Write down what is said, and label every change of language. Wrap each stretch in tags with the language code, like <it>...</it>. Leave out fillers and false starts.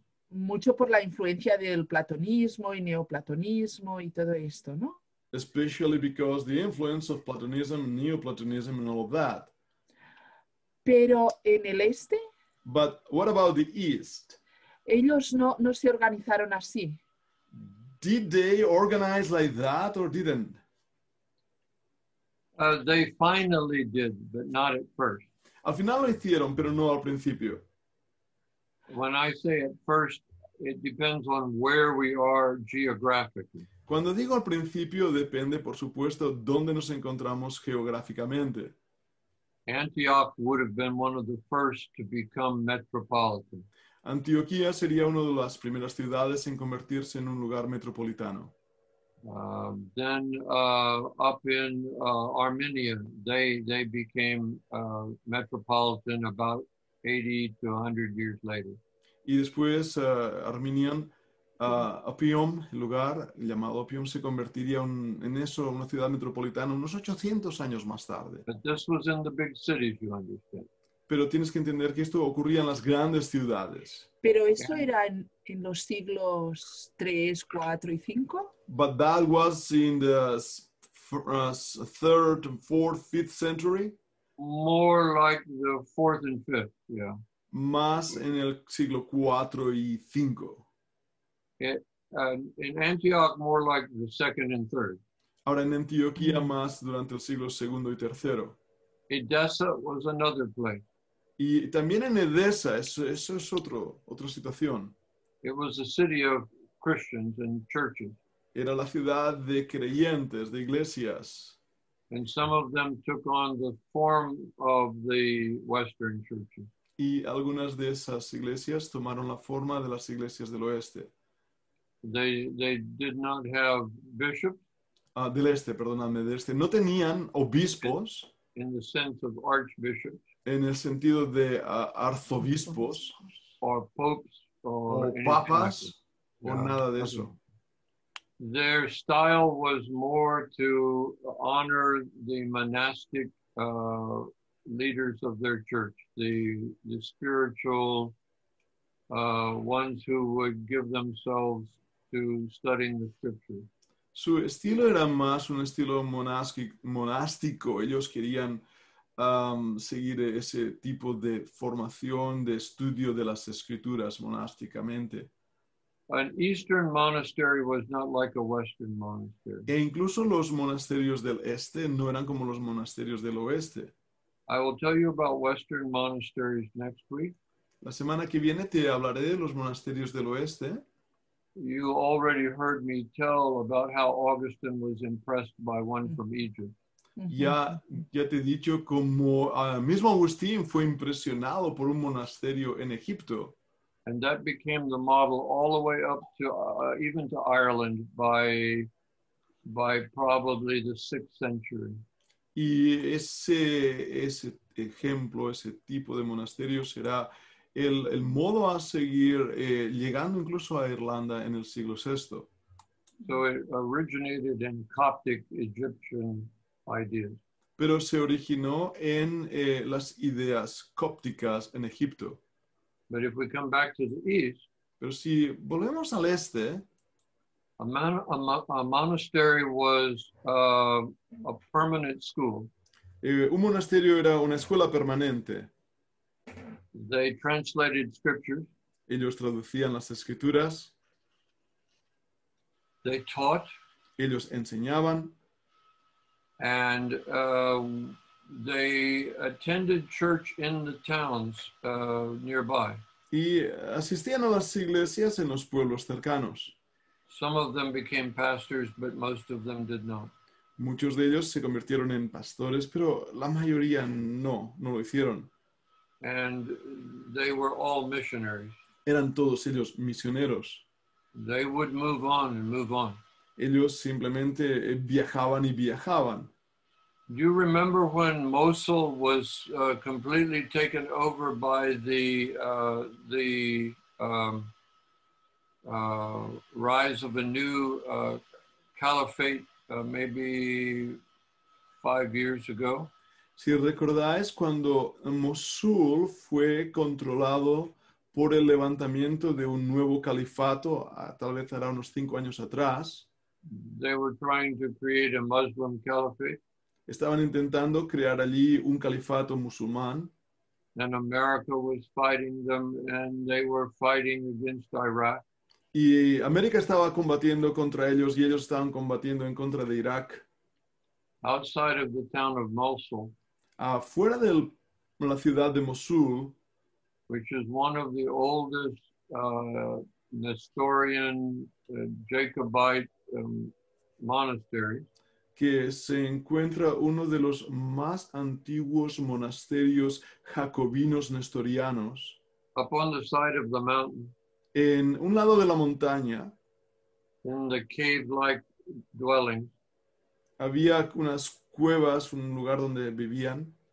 <es>Mucho por la influencia del platonismo y neoplatonismo y todo esto, ¿no?</es> <en>Especially because the influence of Platonism, Neoplatonism, and all of that.</en> <es>Pero en el este.</es> <en>But what about the east?</en> <es>Ellos no se organizaron así.</es> <en>Did they organize like that or didn't? They finally did, but not at first.</en> <es>Al final lo hicieron, pero no al principio.</es> <en>When I say at first, it depends on where we are geographically.</en> <es>Cuando digo al principio, depende, por supuesto, dónde nos encontramos geográficamente.</es> <en>Antioch would have been one of the first to become metropolitan.</en> <es>Antioquía sería una de las primeras ciudades en convertirse en un lugar metropolitano.</es> <en>Then up in Armenia, they became metropolitan about 80 to 100 years later.</en> <es>Y después Armenian, Opium, el lugar llamado Opium, se convertiría una ciudad metropolitana unos 800 años más tarde.</es> <en>But this was in the big cities, you understand.</en> <es>Pero tienes que entender que esto ocurría en las grandes ciudades. Pero eso era en los siglos 3, 4 y 5.</es> <en>But that was in the 3rd, 4th, 5th century. More like the 4th and 5th, yeah.</en> <es>Más en el siglo 4 y 5.</es> <en>In Antioch, more like the 2nd and 3rd.</en> <es>Ahora en Antioquía, más durante el siglo 2 y 3.</es> <en>Edessa was another place.</en> <es>Y también en Edessa, eso es otra situación.</es> <en>It was a city of Christians and churches.</en> <es>Era la ciudad de creyentes, de iglesias.</es> <en>And some of them took on the form of the Western churches.</en> <es>Y algunas de esas iglesias tomaron la forma de las iglesias del oeste.</es> <en>They did not have bishops.</en> <es>Del este, perdóname, del este. No tenían obispos.</es> <en>In the sense of archbishops.</en> <es>En el sentido de arzobispos</es> <en>or popes, or</en> <es>o papas o nada de eso.</es> <en>Their style was more to honor the monastic leaders of their church, the spiritual ones who would give themselves to studying the scripture.</en> <es>Su estilo era más un estilo monástico. Ellos querían seguir ese tipo de formación de estudio de las escrituras monásticamente.</es> <en>An Eastern monastery was not like a Western monastery.</en> <es>E incluso los monasterios del este no eran como los monasterios del oeste.</es> <en>I will tell you about Western monasteries next week.</en> <es>La semana que viene te hablaré de los monasterios del oeste.</es> <en>You already heard me tell about how Augustine was impressed by one from Egypt.</en> <es>Ya te he dicho cómo mismo Agustín fue impresionado por un monasterio en Egipto.</es> <en>And that became the model all the way up to even to Ireland by probably the 6th century.</en> <es>Y ese ejemplo, ese tipo de monasterio será el modo a seguir llegando incluso a Irlanda en el siglo VI.</es> <en>So it originated in Coptic Egyptian ideas.</en> <es>Pero se originó en las ideas cópticas en Egipto.</es> <en>But if we come back to the east,</en> <es>pero si volvemos al este,</es> <en>a monastery was a permanent school.</en> <es>Un monasterio era una escuela permanente.</es> <en>They translated scriptures.</en> <es>Ellos traducían las escrituras.</es> <en>They taught.</en> <es>Ellos enseñaban.</es> <en>And they attended church in the towns nearby.</en> <es>Y asistían a las iglesias en los pueblos cercanos.</es> <en>Some of them became pastors, but most of them did not.</en> <es>Muchos de ellos se convirtieron en pastores, pero la mayoría no lo hicieron.</es> <en>And they were all missionaries.</en> <es>Eran todos ellos misioneros.</es> <en>They would move on and move on.</en> <es>Ellos simplemente viajaban y viajaban.</es> <en>Do you remember when Mosul was completely taken over by the rise of a new caliphate maybe 5 years ago?</en> <es>Si recordáis cuando Mosul fue controlado por el levantamiento de un nuevo califato, tal vez era unos 5 años atrás.</es> <en>They were trying to create a Muslim caliphate.</en> <es>Estaban intentando crear allí un califato musulmán.</es> <en>And America was fighting them, and they were fighting against Iraq.</en> <es>Y América estaba combatiendo contra ellos y ellos estaban combatiendo en contra de Irak.</es> <en>Outside of the town of Mosul.</en> <es>Afuera de la ciudad de Mosul,</es> <en>which is one of the oldest Nestorian Jacobite monasteries.</en> <es>Que se encuentra uno de los más antiguos monasterios jacobinos nestorianos.</es> <en>Upon the side of the mountain.</en> <es>En un lado de la montaña.</es> <en>In the cave-like dwelling.</en> <es>Había unas cuevas, un lugar donde vivían.</es>